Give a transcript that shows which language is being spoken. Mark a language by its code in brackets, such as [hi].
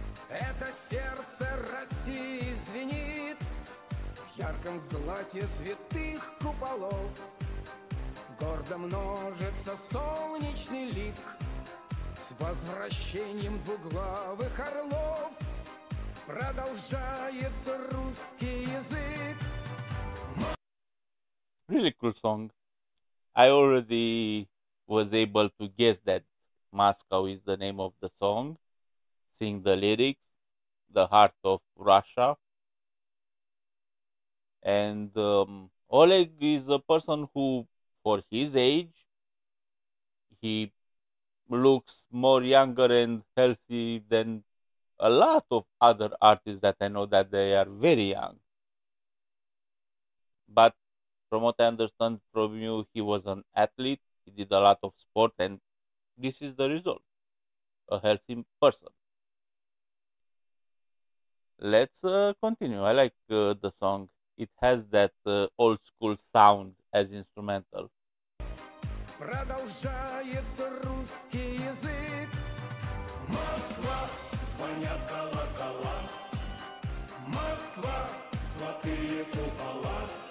[ru] Это сердце России звенит в ярком злате святых куполов. Гордо множится солнечный лик с возвращением двуглавых орлов. Продолжается русский язык. [en] Really cool song. I already was able to guess that Moscow is the name of the song, seeing the lyrics, the heart of Russia. And Oleg is a person who, for his age, he looks more younger and healthy than a lot of other artists that I know, that they are very young. But from what I understand from you, he was an athlete, he did a lot of sport, and this is the result, a healthy person. Let's continue. I like the song. It has that old school sound as instrumental. [ru] Продолжается русский язык. Москва, звонят колокола. Москва, золотые купола.